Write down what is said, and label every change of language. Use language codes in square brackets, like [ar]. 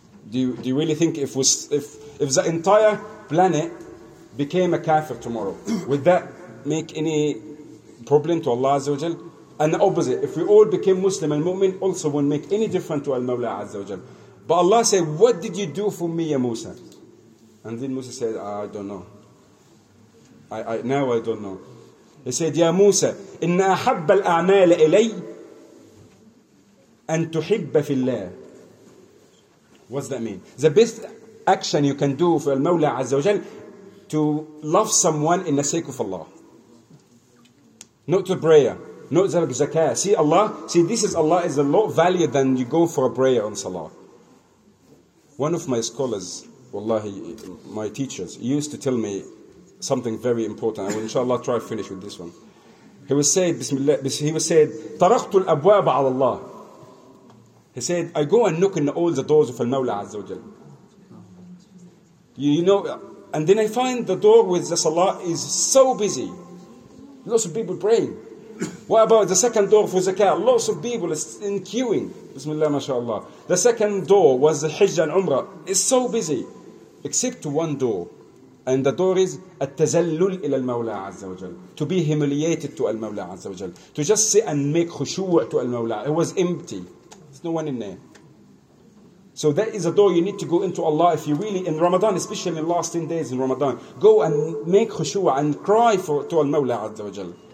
[en] Do you really think if the entire planet became a kafir tomorrow, would that make any problem to Allah Azza wa Jal? And the opposite, if we all became Muslim and mu'min, also wouldn't make any difference to Al-Mawla Azza wa Jal. But Allah said, what did you do for me, Ya Musa? And then Musa said, I don't know. I don't know. He said, [ar] Ya Musa, إِنَّ أَحَبَّ الْأَعْمَالَ إِلَيْ أَن تُحِبَّ فِي اللَّهِ. [en] What's that mean? The best action you can do for Al-Mawla Azza wa Jal, to love someone in the sake of Allah. Not to prayer. Not zakah. See Allah, see this is Allah is a lot valuer than you go for a prayer on salah. One of my scholars, wallahi, my teachers, used to tell me something very important. I will inshallah try to finish with this one. He would say, Bismillah, he would say, [ar] تَرَقْتُ الْأَبْوَابَ عَلَى اللَّهِ. [en] He said, I go and knock on all the doors of Al-Mawla Azza wa Jal. You know, and then I find the door with the salah is so busy. Lots of people praying. What about the second door for zakah? Lots of people is in queuing. Bismillah, mashallah. The second door was the Hajj and Umrah. It's so busy. Except one door. And the door is [ar] التزلل إلى المولى عز وجل. [en] To be humiliated to المولى عز وجل. To just sit and make خشوع to المولى. It was empty. There's no one in there. So that is a door you need to go into Allah if you really, in Ramadan, especially in the last 10 days in Ramadan, go and make خشوع and cry to المولى عز وجل.